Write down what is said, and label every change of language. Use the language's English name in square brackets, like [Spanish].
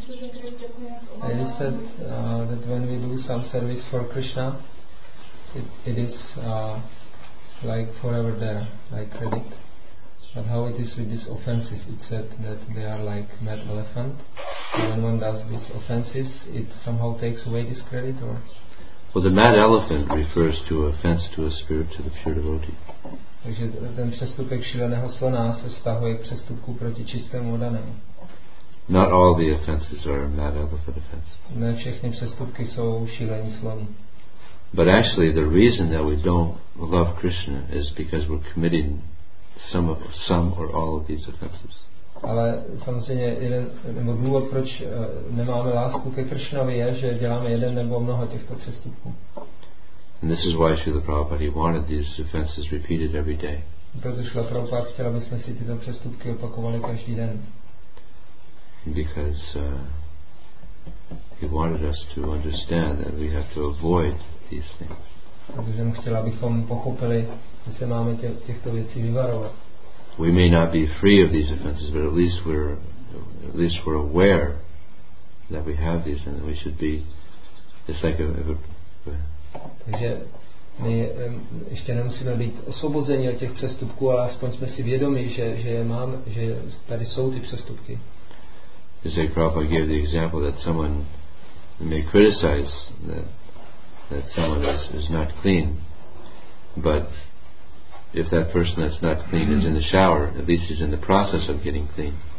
[English] I said that when we do some service for Krishna, it is like forever there, like credit. But how it is with these offenses? It said that they are like mad elephant. When one does these offenses, it somehow takes away this credit, or? Well, the mad elephant refers to offense to a spirit, to the pure devotee. [Czech] Takže ten přestupek šíleného slona se vztahuje k přestupku proti čistému oddanému. [English] Not all the offenses are mad elephant offenses. [Czech] Ne všechny přestupky jsou šílení slon. [English] But actually, the reason that we don't love Krishna is because we're committing some or all of these offenses. [Czech] Ale samozřejmě jeden důvod, proč nemáme lásku ke Krishnovi, je, že děláme jeden nebo mnoho těchto přestupků. [English] And this is why Srila Prabhupada, he wanted these offenses repeated every day. [Czech] Proto Srila Prabhupada chtěl, aby jsme si tyto přestupky opakovali každý den. [English] Because he wanted us to understand that we have to avoid these things. [Czech] Protože on chtěl, abychom pochopili, že se máme těchto věcí vyvarovat. [English] We may not be free of these offenses, but at least we're aware that we have these and that we should be. It's like a [Czech] takže my ještě nemusíme být osvobozeni od těch přestupků, ale aspoň jsme si vědomi, že tady jsou ty přestupky. [English] Is like Prabhupada gave the example that someone may criticize that someone is not clean, but if that person that's not clean is in the shower, at least he's in the process of getting clean.